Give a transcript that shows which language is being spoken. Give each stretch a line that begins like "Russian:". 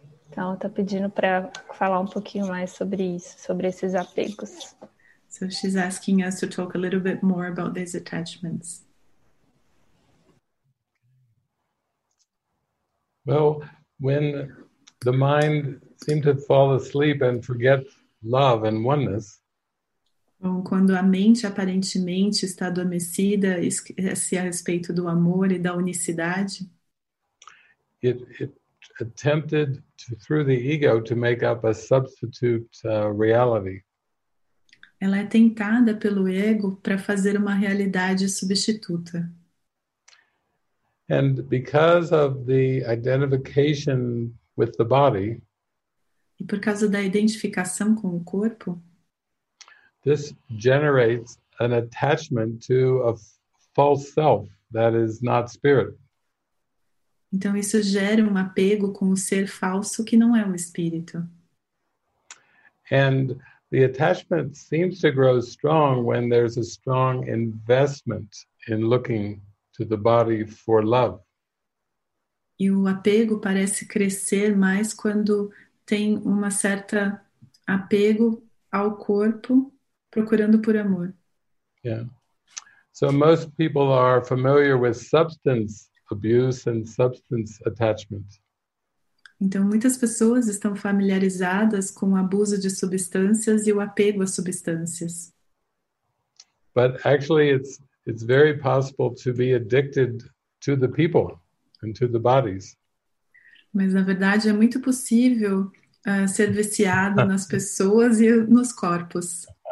Portuguese: Então, está pedindo para falar um pouquinho mais sobre isso, sobre esses apegos.
English: So she's asking us to talk a little bit more about these attachments. Well, when the mind seems to fall asleep and forget love and oneness.
Portuguese: Bom, quando a mente aparentemente está adormecida, esquece a respeito do amor e da unicidade.
English: It attempted to, through the ego to make up a substitute reality.
Portuguese: Ela é tentada pelo ego para fazer uma realidade substituta.
English: And because of the identification with the body,
Portuguese: e por causa da identificação com o corpo,
English: this generates an attachment to a false self that is not spirit.
Portuguese: Então isso gera um apego com o ser falso que não é o espírito.
English: And the attachment seems to grow strong when there's a strong investment in looking to the body for love.
Portuguese: E o apego parece crescer mais quando tem uma certa apego ao corpo procurando por amor.
English: Yeah. So most people are familiar with substance abuse and substance attachment.
Portuguese: Então muitas pessoas estão familiarizadas com o abuso de substâncias e o apego às substâncias.
English: But actually it's very possible to be addicted to the people and to the bodies.
Portuguese: Mas na verdade é muito possível ser viciado nas pessoas e nos corpos.